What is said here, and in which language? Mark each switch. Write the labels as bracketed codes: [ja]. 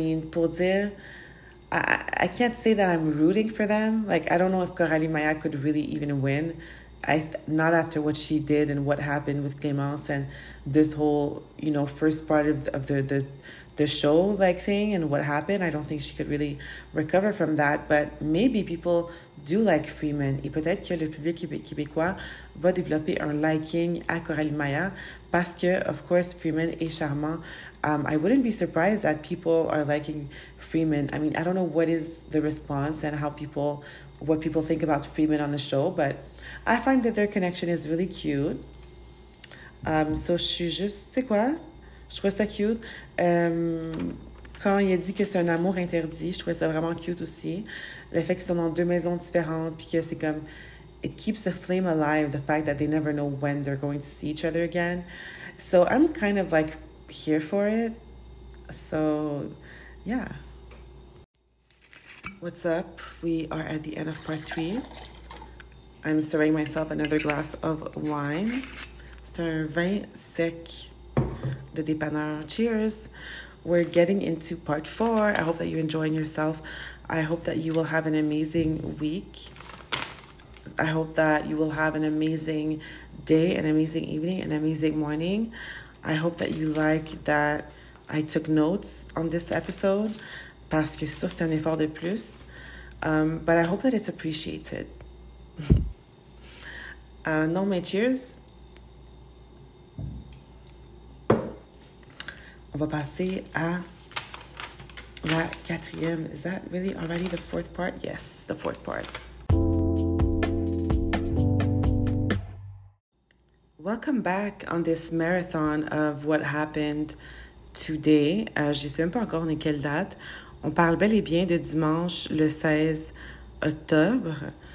[fr] Pour dire, [en] I can't say that I'm rooting for them. Like, I don't know if Coralie Maillard could really even win not after what she did and what happened with Clémence and this whole, you know, first part of the show like thing and what happened. I don't think she could really recover from that. But maybe people do like Freeman. [fr] Et peut-être que le public québécois va développer un liking à Coralie Maya parce que, [en] of course, [fr] Freeman est charmant. [en] I wouldn't be surprised that people are liking Freeman. I mean, I don't know what is the response and what people think about Freeman on the show, but I find that their connection is really cute. So she just, [fr] tu sais quoi? Je trouve ça cute. Quand il a dit que c'est un amour interdit, je trouvais ça vraiment cute aussi. Le fait qu'ils sont dans deux maisons différentes, puis que c'est comme, [en] it keeps the flame alive, the fact that they never know when they're going to see each other again. So I'm kind of like here for it. So, yeah. What's up? We are at the end of part three. I'm serving myself another glass of wine. [fr] C'est un vin sec de dépanneur. [en] Cheers. We're getting into part four. I hope that you're enjoying yourself. I hope that you will have an amazing week. I hope that you will have an amazing day, an amazing evening, an amazing morning. I hope that you like that I took notes on this episode. [fr] Parce que ça, c'est un effort de plus. [en] But I hope that it's appreciated. [fr] non, mais cheers. On va passer à la quatrième. [en] Is that really already the fourth part? Yes, the fourth part. Welcome back on this marathon of what happened today. [fr] Je ne sais même pas encore de quelle date. On parle bel et bien de dimanche, le 16 octobre.